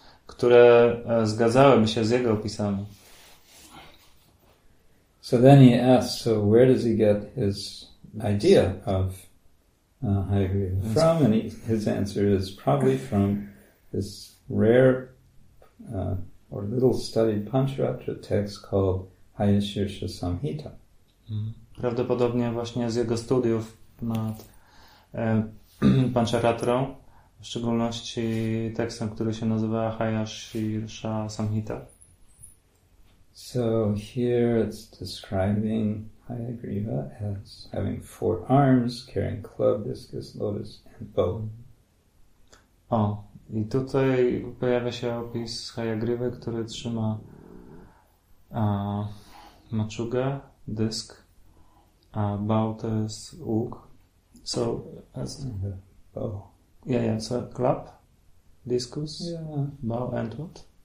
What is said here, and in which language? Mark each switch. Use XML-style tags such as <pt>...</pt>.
<pl>Które zgadzałyby się z jego opisami.</pl> <en>So then he asks, so where does he get his idea of Hayagriva from? And his answer is probably from this rare or little studied Pancharatra text called Hayashirsha Samhita.</en> <pl>Prawdopodobnie właśnie z jego studiów nad Pancharatrą, w szczególności tekstem, który się nazywa Hayashirsha Samhita.</pl> <en>So here it's describing Hayagriva as having four arms, carrying club, discus, lotus and bow.</en> <pl>O, i tutaj pojawia się opis Hayagriwy, który trzyma maczugę, dysk, a bow to jest łuk.</pl> <en>So, as the bow. Yeah, yeah, so club, discus, bow and what?</en>